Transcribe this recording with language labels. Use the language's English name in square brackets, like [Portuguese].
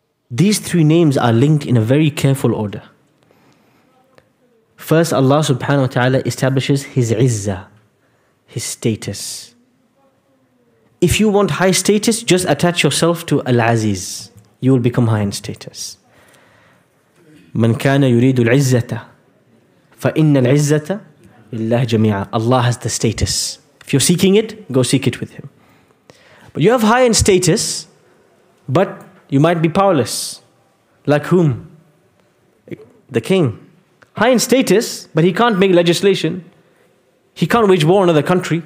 [English] These three names are linked in a very careful order. First, Allah subhanahu wa ta'ala establishes His izzah, His status. If you want high status, just attach yourself to Al-Aziz. You will become high in status. [Arabic] مَنْ كَانَ يُرِيدُ الْعِزَّةَ فَإِنَّ الْعِزَّةَ Allah jami'a. [English] Allah has the status. If you're seeking it, go seek it with Him. But you have high in status, but you might be powerless. Like whom? The king. High in status, but he can't make legislation. He can't wage war on another country.